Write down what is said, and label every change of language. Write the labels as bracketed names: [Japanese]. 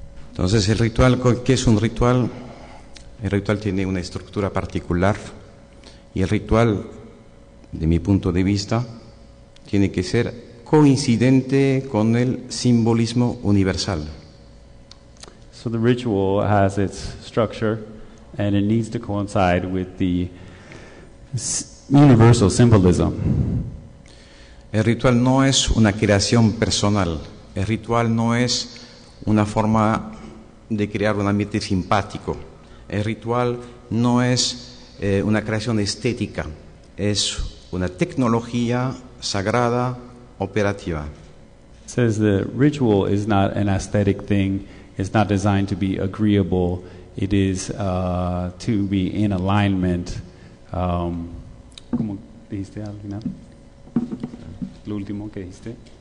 [Spanish] Entonces, el ritual, ¿qué es un ritual? El ritual tiene una estructura particular, y el ritual, de mi punto de vista, tiene que ser coincidente con el simbolismo universal. [English] So the ritual has its structure and it needs to coincide with the universal symbolism. [Spanish] El ritual no es una creación personal. El ritual no es una forma de crear un ambiente simpático. El ritual no es una creación estética. Es una tecnología sagrada operativa. [English] Says the ritual is not an aesthetic thing. It's not designed to be agreeable. It is to be in alignment. [Spanish] ¿Cómo dijiste al final? Lo último que dijiste.